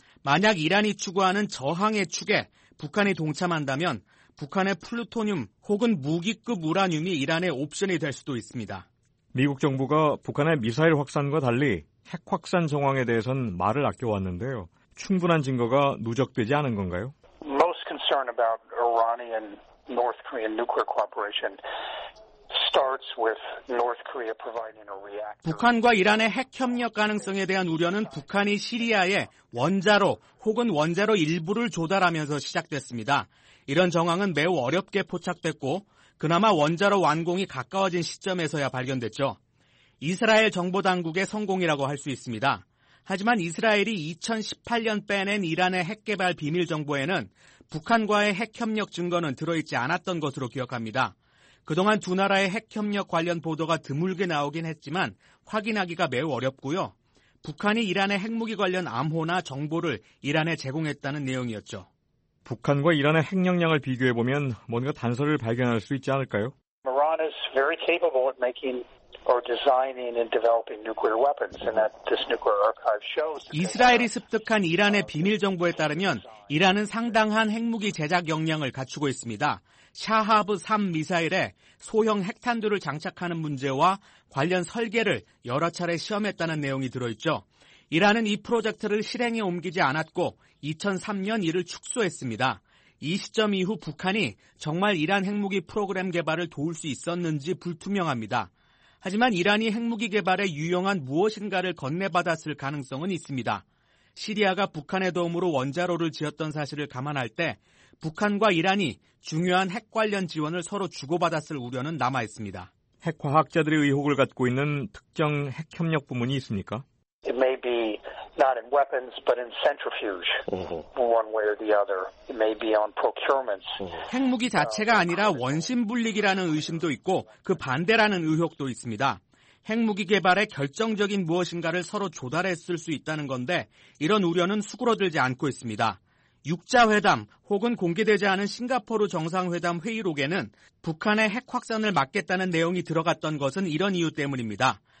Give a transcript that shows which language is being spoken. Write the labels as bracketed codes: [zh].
[ko] 만약 이란이 추구하는 저항의 축에 북한이 동참한다면 북한의 플루토늄 혹은 무기급 우라늄이 이란의 옵션이 될 수도 있습니다. 미국 정부가 북한의 미사일 확산과 달리 핵 확산 정황에 대해서는 말을 아껴왔는데요. 충분한 증거가 누적되지 않은 건가요? [en] Most concern about Iranian North Korean nuclear cooperation starts with North Korea providing a reactor. [ko] 북한과 이란의 핵 협력 가능성에 대한 우려는 북한이 시리아에 원자로 혹은 원자로 일부를 조달하면서 시작됐습니다. 이런 정황은 매우 어렵게 포착됐고 그나마 원자로 완공이 가까워진 시점에서야 발견됐죠. 이스라엘 정보당국의 성공이라고 할 수 있습니다. 하지만 이스라엘이 2018년 빼낸 이란의 핵개발 비밀정보에는 북한과의 핵협력 증거는 들어있지 않았던 것으로 기억합니다. 그동안 두 나라의 핵협력 관련 보도가 드물게 나오긴 했지만 확인하기가 매우 어렵고요. 북한이 이란의 핵무기 관련 암호나 정보를 이란에 제공했다는 내용이었죠. 북한과 이란의 핵 역량을 비교해보면 뭔가 단서를 발견할 수 있지 않을까요? [en] Iran is very capable of making or designing and developing nuclear weapons, and that this nuclear archive shows. [ko] 이스라엘이 습득한 이란의 비밀 정보에 따르면 이란은 상당한 핵무기 제작 역량을 갖추고 있습니다. 샤하브 3 미사일에 소형 핵탄두를 장착하는 문제와 관련 설계를 여러 차례 시험했다는 내용이 들어있죠. 이란은 이 프로젝트를 실행에 옮기지 않았고 2003년 이를 축소했습니다. 이 시점 이후 북한이 정말 이란 핵무기 프로그램 개발을 도울 수 있었는지 불투명합니다. 하지만 이란이 핵무기 개발에 유용한 무엇인가를 건네받았을 가능성은 있습니다. 시리아가 북한의 도움으로 원자로를 지었던 사실을 감안할 때 북한과 이란이 중요한 핵 관련 지원을 서로 주고받았을 우려는 남아있습니다. 핵과학자들의 의혹을 갖고 있는 특정 핵협력 부문이 있습니까? [en] It may be not in weapons, but in centrifuge, one way or the other. It may be on procurements. [ko] 핵무기 자체가 아니라 원심불리기라는 의심도 있고 그 반대라는 의혹도 있습니다. 핵무기 개발에 결정적인 무엇인가를 서로 조달했을 수 있다는 건데 이런 우려는 수그러들지 않고 있습니다. 6자회담 혹은 공개되지 않은 싱가포르 정상회담 회의록에는 북한의 핵 확산을 막겠다는 내용이 들어갔던 것은 이런 이유 때문입니다.